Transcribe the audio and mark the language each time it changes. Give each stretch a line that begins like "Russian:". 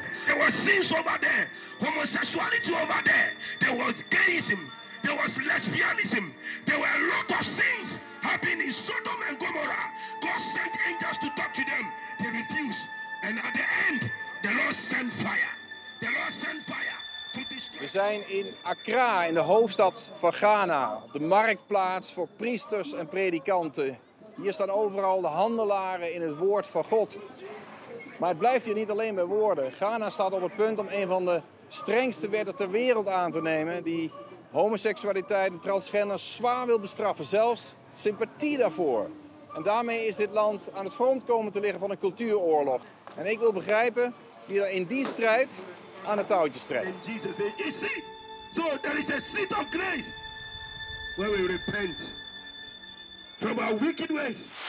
English: There was sins over there. Homosexuality over there. There was gayism. There was lesbianism. There were a lot of sins happening in Sodom and Gomorrah. God sent angels to talk to them. They refused. And at the end, the Lord sent fire. The Lord sent fire.
Dutch: We zijn in Accra, in de hoofdstad van Ghana, de marktplaats voor priesters en predikanten. Hier staan overal de handelaren in het woord van God. Maar het blijft hier niet alleen bij woorden. Ghana staat op het punt om een van de strengste wetten ter wereld aan te nemen, die homoseksualiteit en transgender zwaar wil bestraffen, zelfs sympathie daarvoor. En daarmee is dit land aan het front komen te liggen van een cultuuroorlog. En ik wil begrijpen wie er in die strijd aan het touwtje strijdt.
English: Jesus said, you see, so there is a seat of grace where we repent from our wicked ways.